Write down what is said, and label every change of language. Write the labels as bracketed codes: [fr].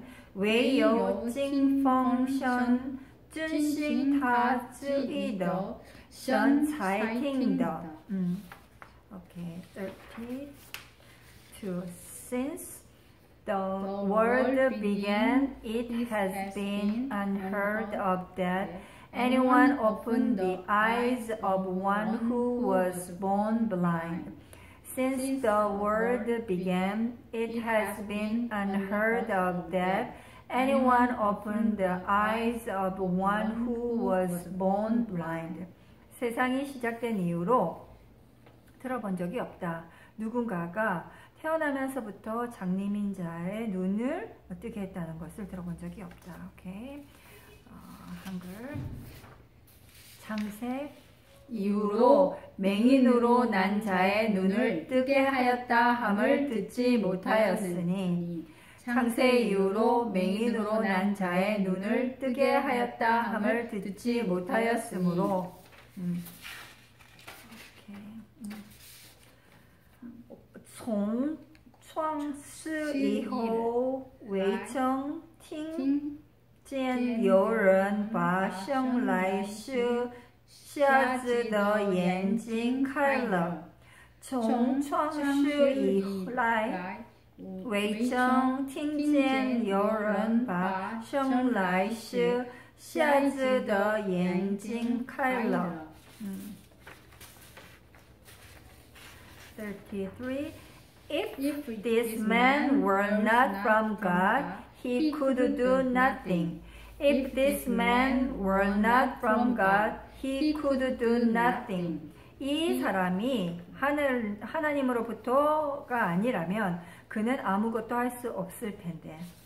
[zh] 我们知道神不听罪人，唯有敬奉神尊行他旨意的，神才，猜吗？才听听，这个才听他。OK，我们知道神不听罪人，唯有敬奉神。真心他旨意的，神才听的。 [en] Okay, 32. Since the world began, it has been unheard of that anyone opened the eyes of one who was born blind. Since the world began, it has been unheard of that anyone opened the eyes of one who was born blind. [ko] 세상이 시작된 이후로 들어본 적이 없다. 누군가가 태어나면서부터 장님인 자의 눈을 어떻게 했다는 것을 들어본 적이 없다. 오케이. 한글. 창세 이후로 맹인으로 난 자의 눈을 뜨게 하였다 함을 듣지 못하였으니 창세 이후로 맹인으로 난 자의 눈을 뜨게 하였다 함을 듣지 못하였으므로 [zh] 총창세 이후 외청 听见有人把生来瞎子的眼睛开了从创世以来 未曾听见有人把生来瞎子的眼睛开了. [en] 33. If this man were not from God, he could do nothing. If this man were not from God, he could do nothing. [ko] 이 사람이 하나님으로부터가 아니라면 그는 아무것도 할 수 없을 텐데.